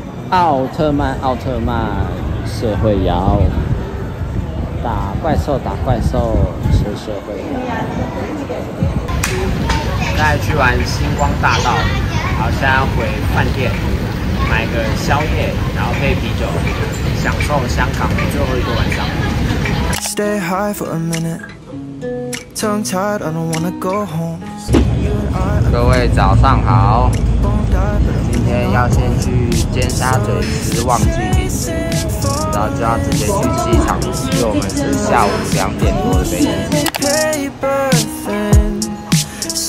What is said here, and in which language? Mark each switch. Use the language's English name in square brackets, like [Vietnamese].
[Chinese] 奥特曼，奥特曼，社会摇，打怪兽，打怪兽，是社会摇。现在去完星光大道，好，现在回饭店买个宵夜，然后配啤酒，享受香港最后一个晚上。 [English] Stay high for a minute, tongue tied, I don't wanna go home. [Chinese] 各位早上好。今天要先去尖沙咀吃旺季饼，然后就要直接去机场，因为我们是下午2点多的飞机。